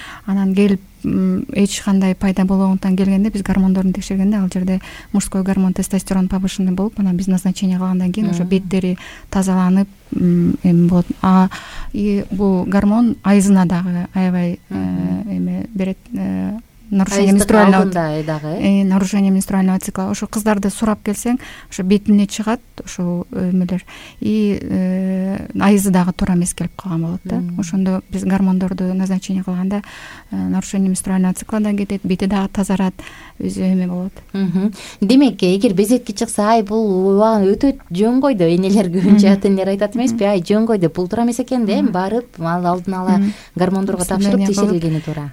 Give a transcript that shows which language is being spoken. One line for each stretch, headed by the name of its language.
Kyrgyz: Анан келип эч кандай пайда болгондон келгенде биз гормондорун текшергенде ал жерде
Russian: мужской гормон тестостерон повышенный
Kyrgyz: болуп, анан биз назначение кылгандан кийин уже беттери тазаланып эми болот. И бул гормон айызына дагы аябай эме берет.
Russian: Нарушение менструального цикла.
Kyrgyz: Ошо кыздарды сурап келсең, ошо бетине чыгат ошо эмелер. И айызы дагы туура эмес келип калган болот да. Ошондо биз гормондорду назначение кылганда
Russian: нарушение менструального цикла
Kyrgyz: да кетет, бети дагы тазарат, өзү эме болот. Демек эгер безетки чыкса, ай бул убагы өтөт жөнгөй деп энелер көбүнчө ата энелер айтат эмеспи, ай жөнгөй деп, бул туура эмес экен да, барып алдын ала гормондорго тапшырып текшерилгени туура.